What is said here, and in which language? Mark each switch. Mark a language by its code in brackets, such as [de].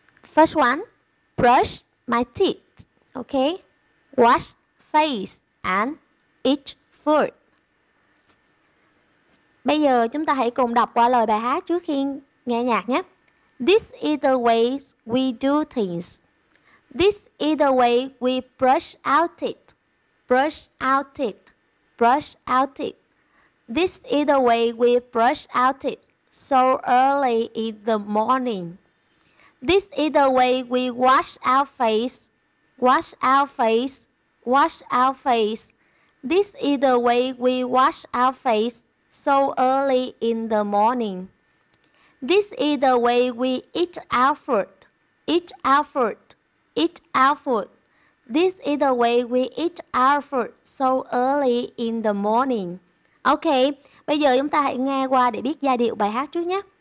[en] First one, brush my teeth. Okay? Wash face and eat food. [vi] Bây giờ chúng ta hãy cùng đọc qua lời bài hát trước khi nghe nhạc nhé. [en] This is the way we do things. This is the way we brush our teeth. Brush our teeth. Brush our teeth. This is the way we brush our teeth so early in the morning. This is the way we wash our face. Wash our face. Wash our face. This is the way we wash our face so early in the morning. This is the way we eat our food. Eat our food. Eat our food. This is the way we eat our food so early in the morning. [vi] Ok, bây giờ chúng ta hãy nghe qua để biết giai điệu bài hát trước nhé.